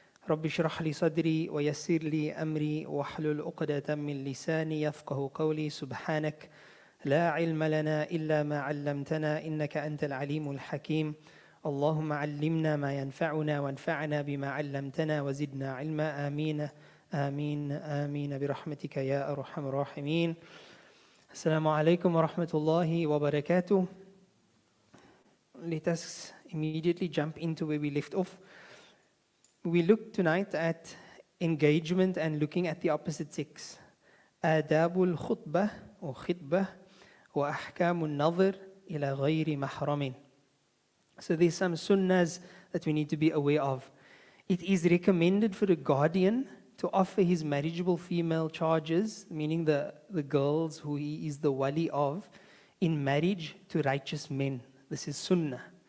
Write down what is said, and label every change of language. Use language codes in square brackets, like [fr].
[ar] رب اشرح لي صدري ويسر لي أمري واحلل عقدة من لساني يفقه قولي سبحانك لا علم لنا إلا ما علمتنا إنك أنت العليم الحكيم اللهم علمنا ما ينفعنا وانفعنا بما علمتنا وزدنا علما آمين آمين آمين برحمتك يا أرحم الراحمين السلام عليكم ورحمة الله وبركاته [en] Let us immediately jump into where we left off. We look tonight at engagement and looking at the opposite sex. [ar] آداب الخطبة وخطبة وأحكام النظر إلى غير محرم. [en] So there's some sunnahs that we need to be aware of. It is recommended for a guardian to offer his marriageable female charges, meaning the girls who he is the wali of, in marriage to righteous men. This is sunnah.